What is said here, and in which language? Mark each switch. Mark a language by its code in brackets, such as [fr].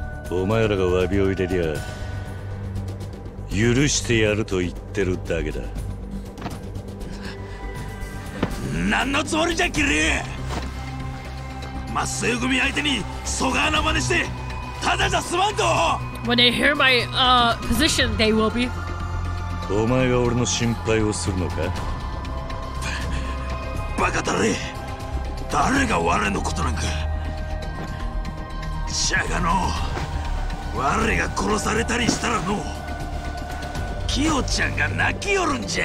[ja] お前らが詫びを入れりゃ許してやると言ってるだけだ。何のつもりじゃ、キリュウ。マッセイ組相手にソガーな真似してただじゃ済まんと。 [en] When they hear my position, they will be. [ja] お前が俺の心配をするのか。バカだれ、誰が我のことなんか。しゃがの、我が殺されたりしたらの、キヨちゃんが泣きよるんじゃ。